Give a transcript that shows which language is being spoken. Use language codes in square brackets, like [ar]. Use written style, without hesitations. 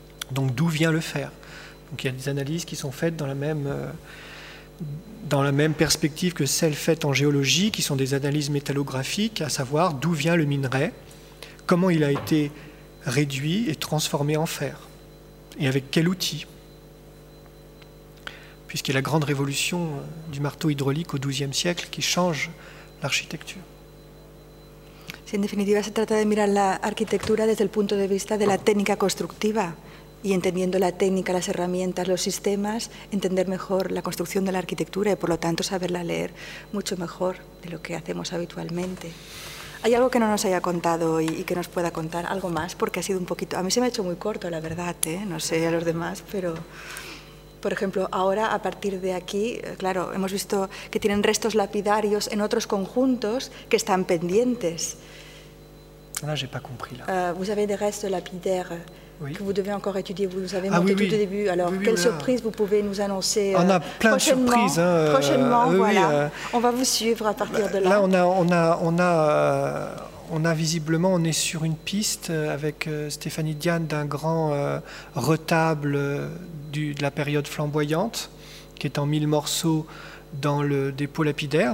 [fr] Donc d'où vient le fer? Donc il y a des analyses qui sont faites dans la même perspective que celles faites en géologie, qui sont des analyses métallographiques, à savoir d'où vient le minerai, comment il a été réduit et transformé en fer, et avec quel outil, puisqu'il y a la grande révolution du marteau hydraulique au XIIe siècle qui change l'architecture. [es] Si, en définitive, se trata de mirar la arquitectura desde el punto de vista de la técnica constructiva. Y entendiendo la técnica, las herramientas, los sistemas, entender mejor la construcción de la arquitectura y, por lo tanto, saberla leer mucho mejor de lo que hacemos habitualmente. ¿Hay algo que no nos haya contado hoy y que nos pueda contar? ¿Algo más? Porque ha sido un poquito... A mí se me ha hecho muy corto, la verdad, ¿eh? No sé a los demás, pero... Por ejemplo, ahora, a partir de aquí, claro, hemos visto que tienen restos lapidarios en otros conjuntos que están pendientes. [fr] Là, j'ai pas compris, là. Vous avez des restos lapidaires... Oui. Que vous devez encore étudier, vous nous avez montré tout au début. Alors, quelle surprise vous pouvez nous annoncer? On a plein de surprises. Hein, prochainement, voilà. On va vous suivre à partir de là. Là, on a visiblement, on est sur une piste avec Stéphanie Diane d'un grand retable de la période flamboyante, qui est en 1000 morceaux dans le dépôt lapidaire.